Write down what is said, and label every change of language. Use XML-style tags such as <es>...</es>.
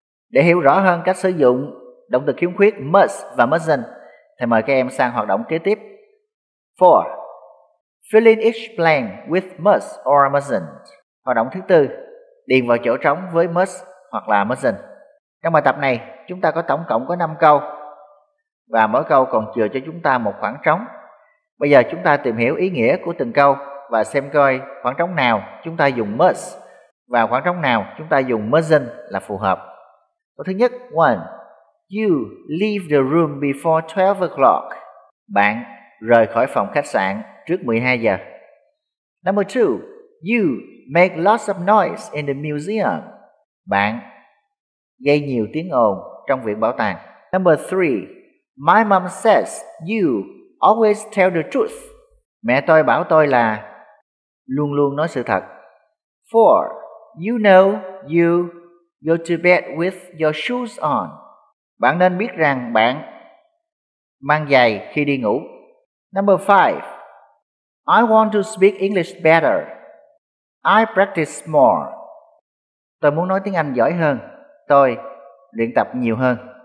<vi>Để hiểu rõ hơn cách sử dụng động từ khiếm khuyết must và mustn't, thầy mời các em sang hoạt động kế tiếp. 4.</vi> <en>Fill in each blank with must or mustn't.</en> <vi>Hoạt động thứ 4. Điền vào chỗ trống với must hoặc là mustn't. Trong bài tập này, chúng ta có tổng cộng có 5 câu và mỗi câu còn chừa cho chúng ta một khoảng trống. Bây giờ chúng ta tìm hiểu ý nghĩa của từng câu và xem coi khoảng trống nào chúng ta dùng must và khoảng trống nào chúng ta dùng mustn't là phù hợp. Câu thứ nhất, 1.</vi> <en>You leave the room before 12 o'clock.</en> <vi>Bạn rời khỏi phòng khách sạn trước 12 giờ.</vi> <en>Number 2. You make lots of noise in the museum.</en> <vi>Bạn gây nhiều tiếng ồn trong viện bảo tàng.</vi> <en>Number 3. My mom says you always tell the truth.</en> <vi>Mẹ tôi bảo tôi là luôn luôn nói sự thật. 4.</vi> <en>You know you go to bed with your shoes on.</en> <vi>Bạn nên biết rằng bạn mang giày khi đi ngủ.</vi> <en>Number 5. I want to speak English better. I practice more.</en> <vi>Tôi muốn nói tiếng Anh giỏi hơn. Tôi luyện tập nhiều hơn.</vi>